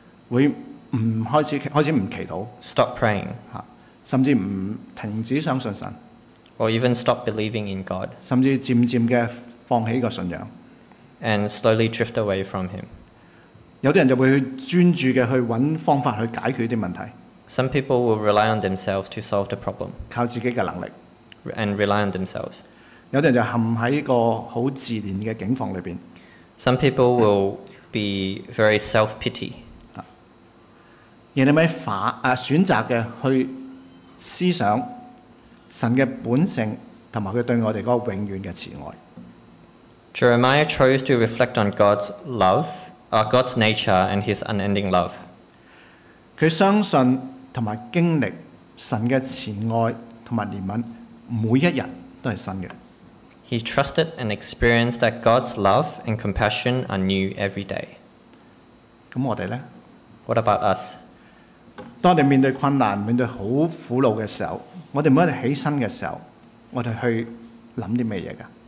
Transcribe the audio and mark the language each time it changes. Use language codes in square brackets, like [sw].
[yue] 會唔開始唔祈禱。 [en] Stop praying. [yue] 甚至唔停止相信神。 [en] Or even stop believing in God. [yue] 甚至漸漸嘅放棄個信仰。 [en] And slowly drift away from Him. [yue] 有啲人就會去專注嘅去揾方法去解決啲問題。 [en] Some people will rely on themselves to solve the problem. [yue] 靠自己嘅能力。 [en] And rely on themselves. [yue] 有啲人就陷喺個好自憐嘅境況裏邊。 [en] Some people will be very self-pity. [yue] 而你咪選擇嘅去思想神嘅本性同埋佢對我哋嗰個永遠嘅慈愛。 [en] Jeremiah chose to reflect on God's love, God's nature and His unending love. [yue] 佢相信同埋經歷神嘅慈愛同埋憐憫，每一日都係新嘅。 [en] He trusted and experienced that God's love and compassion are new every day. [yue] 咁我哋咧 [en] ？What about us？ [yue] 當我哋面對困難、面對好苦惱嘅時候，我哋每一日起身嘅時候，我哋去諗啲咩嘢噶？